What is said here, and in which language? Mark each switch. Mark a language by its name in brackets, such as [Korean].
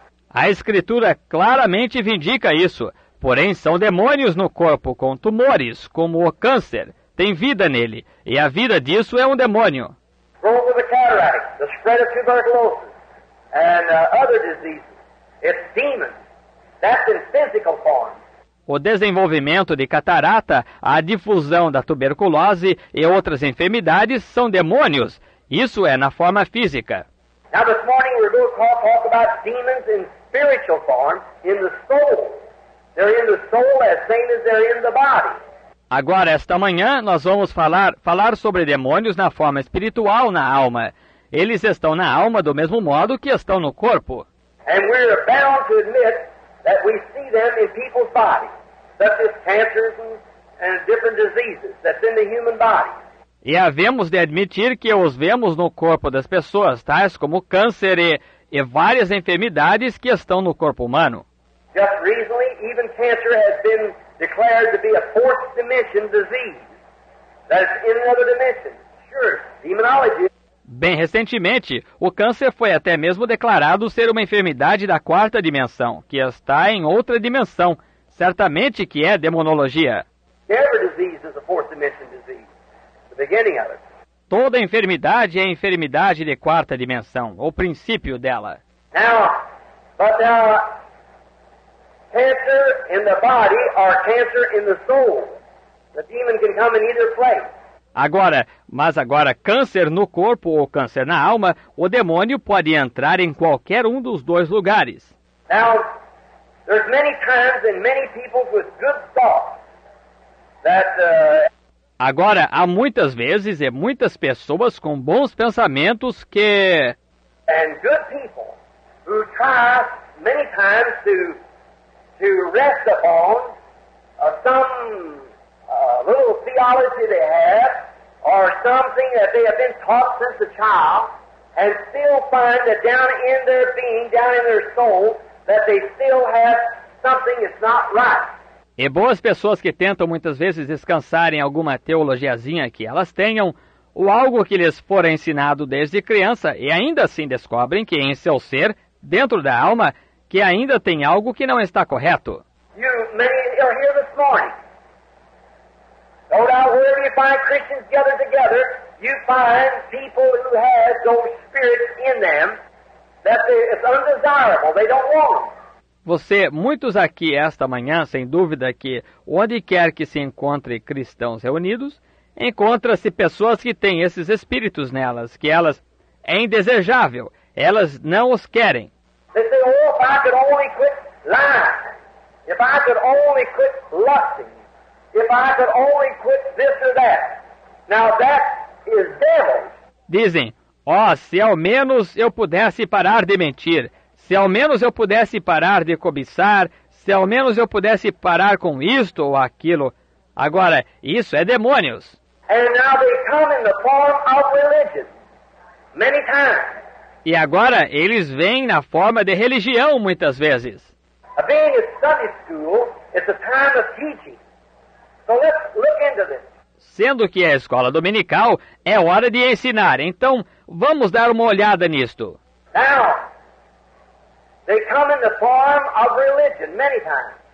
[Portuguese] A Escritura claramente vindica isso. Porém, são demônios no corpo com tumores, como o câncer. Tem vida nele, e a vida disso é um demônio. [English] Growth of the cataract, the spread of tuberculosis, and other diseases. It's demons. That's in physical form. [Portuguese] O desenvolvimento de catarata, a difusão da tuberculose e outras enfermidades são demônios. Isso é na forma física. [English] Now this morning we're going to talk about demons in spiritual form, in the soul. They're in the soul as same as they're in the body. [Portuguese] Agora, esta manhã, nós vamos falar sobre demônios na forma espiritual, na alma. Eles estão na alma do mesmo modo que estão no corpo. [English] And we're bound to admit that we see them in people's bodies, such as cancers and different diseases that's in the human body. [Portuguese] E havemos de admitir que os vemos no corpo das pessoas, tais como câncer e várias enfermidades que estão no corpo humano. [English] Just recently, even cancer has been declared to be a fourth dimension disease. That's in another dimension. Sure, demonology. [Portuguese] Bem recentemente, o câncer foi até mesmo declarado ser uma enfermidade da quarta dimensão, que está em outra dimensão. Certamente que é demonologia. [English] Every disease is a fourth dimension disease. The beginning of it. [Portuguese] Toda enfermidade é enfermidade de quarta dimensão, o princípio dela. [English] Now, but now, cancer in the body or cancer in the soul. The demon can come in either place. [Portuguese] Agora, câncer no corpo ou câncer na alma, o demônio pode entrar em qualquer um dos dois lugares. [English] Now, there's many times and many people with good thoughts that. [Portuguese] Agora, há muitas vezes e muitas pessoas com bons pensamentos que. [English] And good people who try many times to rest upon some little theology they have. Or something that they have been taught since a child, and still find that down in their being, down in their soul, that they still have something that's not right. [Portuguese] E boas pessoas que tentam muitas vezes descansar em alguma teologiazinha que elas tenham, ou algo que lhes fora ensinado desde criança, e ainda assim descobrem que em seu ser, dentro da alma, que ainda tem algo que não está correto. [English] You may hear this morning. No doubt, wherever you find Christians gathered together, you find people who have those spirits in them that it's undesirable. They don't want. [Portuguese] Você, muitos aqui esta manhã, sem dúvida que onde quer que se encontre cristãos reunidos, encontra-se pessoas que têm esses espíritos nelas, que elas é indesejável. Elas não os querem. [English] They say, oh, if I could only quit lying, if I could only quit lusting. If I could only quit this or that. Now that is devils. [Portuguese] Dizem, ó, se ao menos eu pudesse parar de mentir, se ao menos eu pudesse parar de cobiçar, se ao menos eu pudesse parar com isto ou aquilo. Agora, isso é demônios. [English] And now they come in the form of religion. Many times. [Portuguese] E agora eles vêm na forma de religião muitas vezes. [English] Being a Sunday school, it's a time of teaching. So let's look into this. [Portuguese] Sendo que é a escola dominical, é hora de ensinar. Então, vamos dar uma olhada nisto. [English] Now, they come in the form of religion many times.